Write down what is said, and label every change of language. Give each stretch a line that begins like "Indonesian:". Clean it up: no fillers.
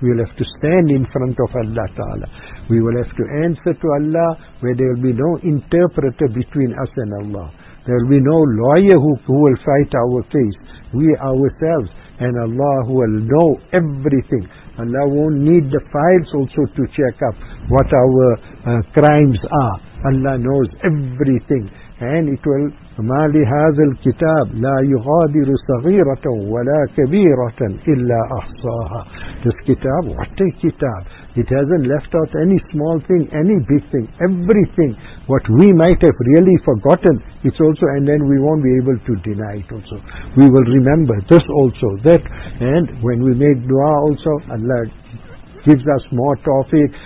English: We will have to stand in front of Allah Ta'ala. We will have to answer to Allah, where there will be no interpreter between us and Allah. There will be no lawyer who will fight our case. We ourselves and Allah will know everything. Allah won't need the files also to check up what our crimes are. Allah knows everything. And it will,
Arabic: مَا لِهَذَا الْكِتَابِ لَا يُغَادِرُ صَغِيرَةً وَلَا كَبِيرَةً إِلَّا أَحْصَاهَا.
English: This kitab, what a kitab. It hasn't left out any small thing, any big thing, everything. What we might have really forgotten, it's also, and then we won't be able to deny it also. We will remember this also, that, and when we make dua also, Allah gives us more tawfiq.